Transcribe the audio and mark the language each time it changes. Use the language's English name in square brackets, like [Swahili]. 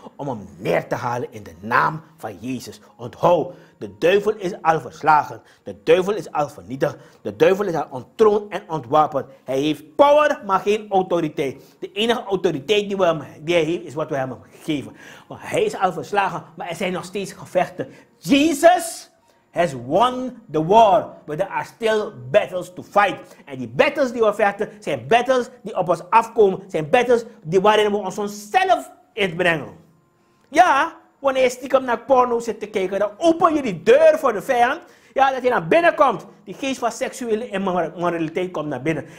[Dutch] Om hem neer te halen in de naam van Jezus. Onthoud, de duivel is al verslagen. De duivel is al vernietigd. De duivel is al ontroond en ontwapend. Hij heeft power, maar geen autoriteit. De enige autoriteit die hij heeft, is wat we hem geven. Maar hij is al verslagen, maar er zijn nog steeds gevechten. [English] Jezus has won the war, but there are still battles to fight. [Dutch] En die battles die we vechten, zijn battles die op ons afkomen. Zijn battles die waarin we ons onszelf inbrengen. Ja, wanneer je stiekem naar porno zit te kijken, dan open je die deur voor de vijand. Ja, dat hij naar binnen komt. Die geest van seksuele immoraliteit komt naar binnen.